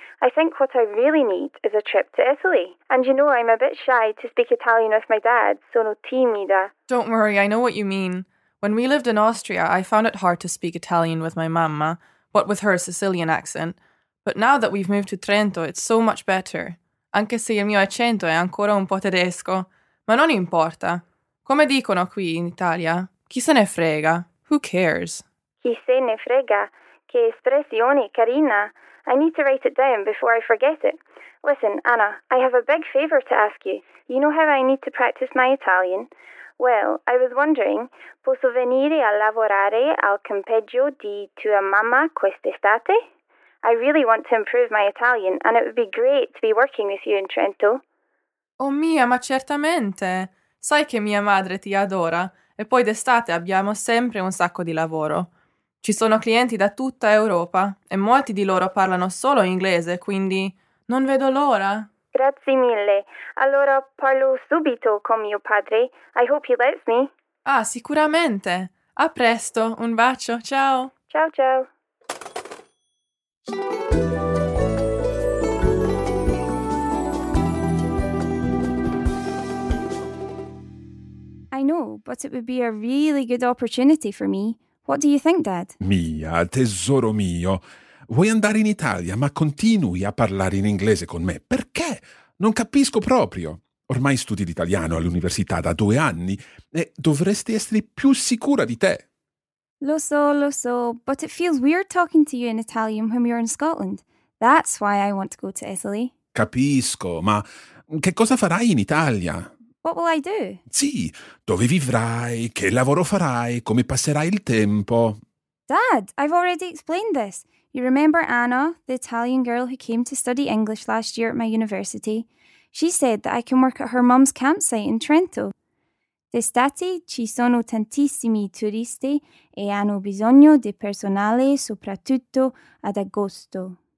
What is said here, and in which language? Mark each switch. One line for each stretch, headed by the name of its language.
English: I think what I really need is a trip to Italy. And you know, I'm a bit shy to speak Italian with my dad.
Italian: Sono timida.
English: Don't worry, I know what you mean. When we lived in Austria, I found it hard to speak Italian with my mamma, what with her Sicilian accent. But now that we've moved to Trento, it's so much better.
Italian: Anche se il mio accento è ancora un po' tedesco. Ma non importa. Come dicono qui in Italia? Chi se ne frega?
English: Who cares?
Italian: Chi se ne frega? Che espressione carina!
English: I need to write it down before I forget it. Listen, Anna, I have a big favor to ask you. You know how I need to practice my Italian? Well, I was wondering,
Italian: posso venire a lavorare al campeggio di tua mamma quest'estate?
English: I really want to improve my Italian, and it would be great to be working with you in Trento.
Italian: Oh mia, ma certamente! Sai che mia madre ti adora, e poi d'estate abbiamo sempre un sacco di lavoro. Ci sono clienti da tutta Europa, e molti di loro parlano solo inglese, quindi non vedo l'ora. Grazie mille. Allora parlo subito con mio padre.
English: I hope he lets me.
Italian: Ah, sicuramente. A presto. Un bacio. Ciao. Ciao, ciao.
English: I know, but it would be a really good opportunity for me. What do you think, Dad?
Italian: Mia, tesoro mio. Vuoi andare in Italia, ma continui a parlare in inglese con me. Perché? Non capisco proprio. Ormai studi l'italiano all'università da 2 anni e dovresti essere più sicura di te. Lo so,
English: but it feels weird talking to you in Italian when we are in Scotland. That's why I want to go to Italy.
Italian: Capisco, ma che cosa farai in Italia?
English: What will I do?
Italian: Sì, dove vivrai, che lavoro farai, come passerai il tempo?
English: Dad, I've already explained this. You remember Anna, the Italian girl who came to study English last year at my university? She said that I can work at her mum's campsite in Trento.
Italian: D'estate ci sono tantissimi turisti e hanno bisogno di personale soprattutto ad agosto.